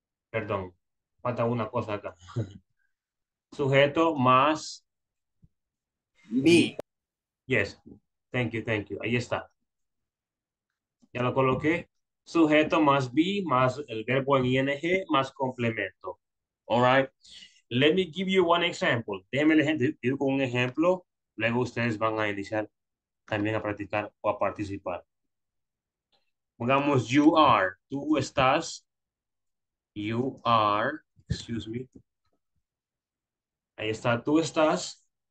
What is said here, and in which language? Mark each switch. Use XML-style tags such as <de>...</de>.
<es>Perdón, falta una cosa acá. Sujeto más me.</es> <en>Yes, thank you,</en> <es>ahí está. Ya lo coloqué. Sujeto más be, más el verbo en ing, más complemento.</es> <en>All right, let me give you one example.</en> <es>Déjeme ir con un ejemplo. Luego ustedes van a iniciar también a practicar o a participar. Pongamos</es> <en>you are.</en> <es>Tú estás.</es> <en>You are. Excuse me.</en> <es>Ahí está. Tú estás.</es>